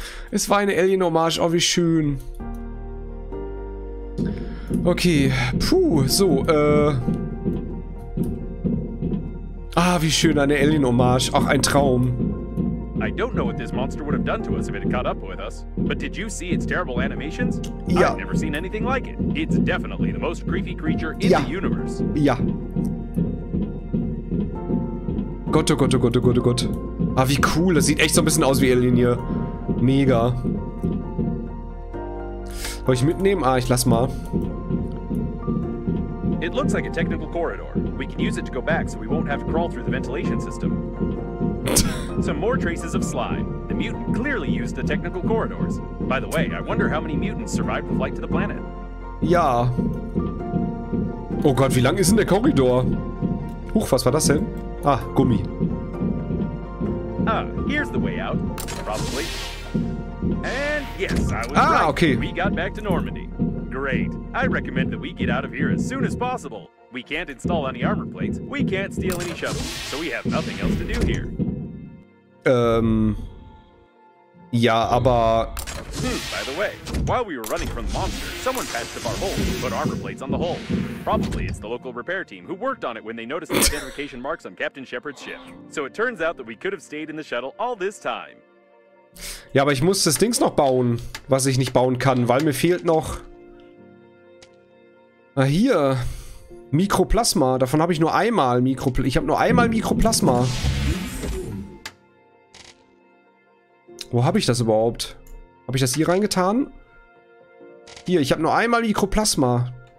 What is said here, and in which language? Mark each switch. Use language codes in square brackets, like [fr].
[de] Es war eine Alien-Hommage. Oh, wie schön. Okay. Puh, so, Ah, wie schön, eine Alien-Hommage. Ach, ein Traum. [en] I don't know what this monster would have done to us if it had caught up with us. But did you see its terrible animations? [de] Ja. [en] I've never seen anything like it. It's definitely the most creepy creature in the universe. [de] Ja. Gott, oh Gott, oh Gott, oh Gott, oh Gott. Ah, wie cool. Das sieht echt so ein bisschen aus wie Alien hier. Mega. Soll ich mitnehmen? Ah, ich lass mal. [en] It looks like a technical corridor. We can use it to go back, so we won't have to crawl through the ventilation system. Some more traces of slime. The mutant clearly used the technical corridors. By the way, I wonder how many mutants survived the flight to the planet. [de] Ja. Oh Gott, wie lang ist denn der Korridor? Huch, was war das denn? Ah, Gummi. [en] Ah, here's the way out. Probably. And yes, I was right. Okay. We got back to Normandy. Great. I recommend that we get out of here as soon as possible. We can't install any armor plates. We can't steal any shovels. So we have nothing else to do here. [de] Ja, aber... [en] By the way, while we were running from the monster, someone patched up our hole and put armor plates on the hole. Probably it's the local repair team who worked on it when they noticed the identification marks on Captain Shepard's ship. So it turns out that we could have stayed in the shuttle all this time. [de] Ja, aber ich muss das Dings noch bauen, was ich nicht bauen kann, weil mir fehlt noch... Ah, hier. Mikroplasma. Davon habe ich nur einmal Mikroplasma. Ich habe nur einmal Mikroplasma. Wo habe ich das überhaupt? Habe ich das hier reingetan? Hier, ich habe nur einmal Mikroplasma.